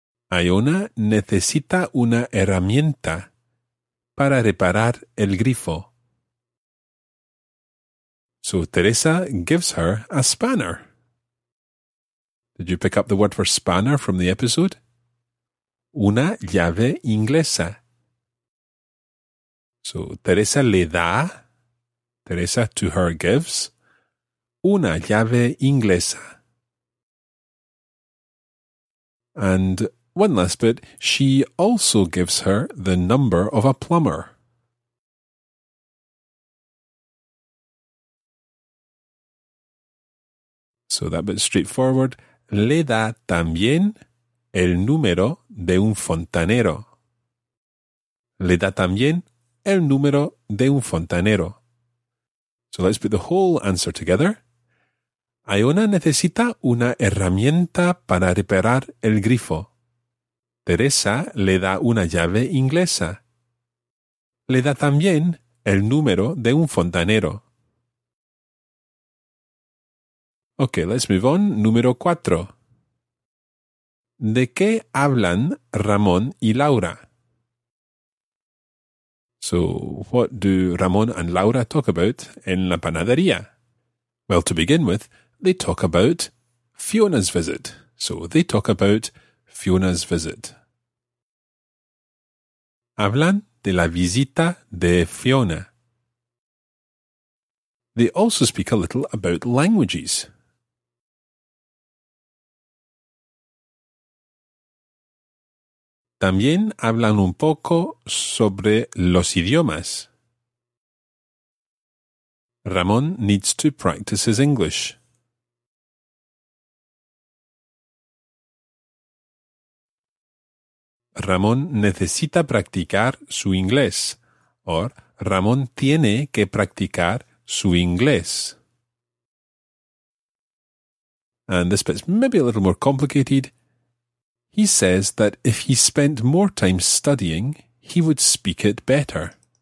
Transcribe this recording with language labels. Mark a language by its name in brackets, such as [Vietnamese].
[Spanish] Iona necesita una herramienta para reparar el grifo. [English] So Teresa gives her a spanner. Did you pick up the word for spanner from the episode? [Spanish] Una llave inglesa. So Teresa le da, [English] Teresa to her gives, [Spanish] una llave inglesa. [English] And one last bit, she also gives her the number of a plumber. So that bit straightforward. [Spanish] Le da también el número de un fontanero. Le da también el número de un fontanero. [English] So let's put the whole answer together. [Spanish] Iona necesita una herramienta para reparar el grifo. Teresa le da una llave inglesa. Le da también el número de un fontanero. [English] Okay, let's move on. [Spanish] Número 4. ¿De qué hablan Ramón y Laura? [English] So, what do Ramón and Laura talk about [Spanish] en la panadería? [English] Well, to begin with, they talk about Fiona's visit. So, they talk about Fiona's visit. [Spanish] Hablan de la visita de Fiona. [English] They also speak a little about languages. [Spanish] También hablan un poco sobre los idiomas. [English] Ramón needs to practice his English. [Spanish] Ramón necesita practicar su inglés. O Ramón tiene que practicar su inglés. [English] And this bit's maybe a little more complicated. He says that if he spent more time studying, he would speak it better.